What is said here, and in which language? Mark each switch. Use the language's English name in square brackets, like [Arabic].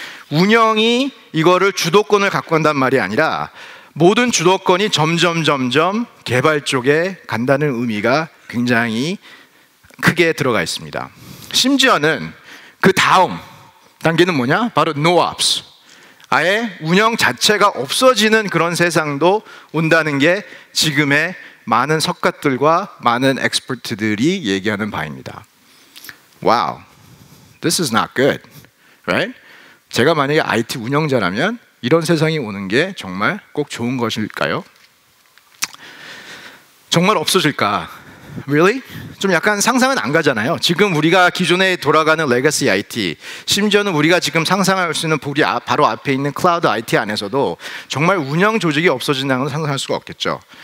[Korean] 운영이 이거를 주도권을 갖고 간단 말이 아니라 모든 주도권이 점점 개발 쪽에 간다는 의미가 굉장히 크게 들어가 있습니다. 심지어는 그 다음 단계는 뭐냐? 바로 no ops. 아예 운영 자체가 없어지는 그런 세상도 온다는 게 지금의 많은 석가들과 많은 엑스퍼트들이 얘기하는 바입니다. [English] Wow, this is not good, right? [Korean] 제가 만약에 IT 운영자라면 이런 세상이 오는 게 정말 꼭 좋은 것일까요? 정말 없어질까? Really? 좀 약간 상상은 안 가잖아요. 지금 우리가 기존에 돌아가는 레거시 IT, 심지어는 우리가 지금 상상할 수 있는 보리 바로 앞에 있는 클라우드 IT 안에서도 정말 운영 조직이 없어진다는 건 상상할 수가 없겠죠.